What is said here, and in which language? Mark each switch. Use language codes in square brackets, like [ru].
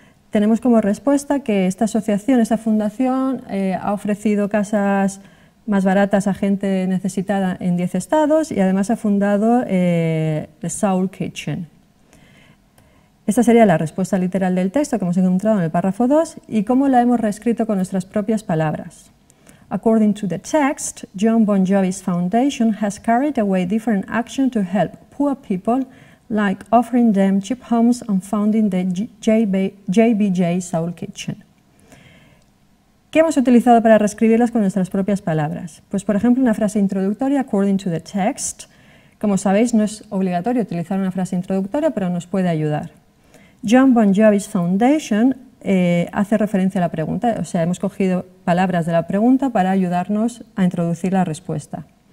[es] Tenemos como respuesta que esta asociación, esta fundación, ha ofrecido casas más baratas a gente necesitada en 10 estados y además ha fundado The Soul Kitchen. Esta sería la respuesta literal del texto que hemos encontrado en el párrafo 2 y cómo la hemos reescrito con nuestras propias palabras. [en] According to the text, Jon Bon Jovi's foundation has carried away different action to help poor people like offering them cheap homes and founding the JBJ Soul Kitchen. [es] ¿Qué hemos utilizado para reescribirlas con nuestras propias palabras? Pues, por ejemplo, una frase introductoria, [en] according to the text. [es] Como sabéis, no es obligatorio utilizar una frase introductoria, pero nos puede ayudar. Jon Bon Jovi's Foundation hace referencia a la pregunta, o sea, hemos cogido palabras de la pregunta para ayudarnos a introducir la respuesta.